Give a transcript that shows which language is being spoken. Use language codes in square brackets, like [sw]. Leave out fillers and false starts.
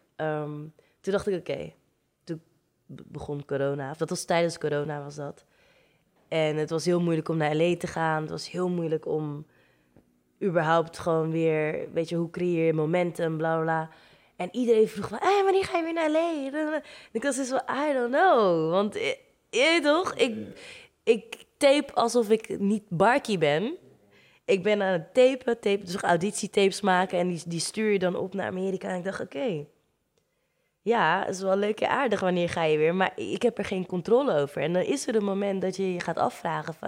[nl] Toen dacht ik, oké. Toen begon corona. Of dat was tijdens corona, was dat. En het was heel moeilijk om naar LA te gaan. Het was heel moeilijk om überhaupt gewoon weer... Weet je, hoe creëer je momentum, bla, bla, bla. En iedereen vroeg van, wanneer ga je weer naar LA? En ik was dus van, [en] I don't know. [nl] Want, je toch? Ik tape alsof ik niet Barkie ben. Ik ben aan het tapen. Dus auditietapes maken. En die stuur je dan op naar Amerika. En ik dacht, oké. Ja, het is wel leuk en aardig, wanneer ga je weer? Maar ik heb er geen controle over. En dan is er een moment dat je je gaat afvragen van...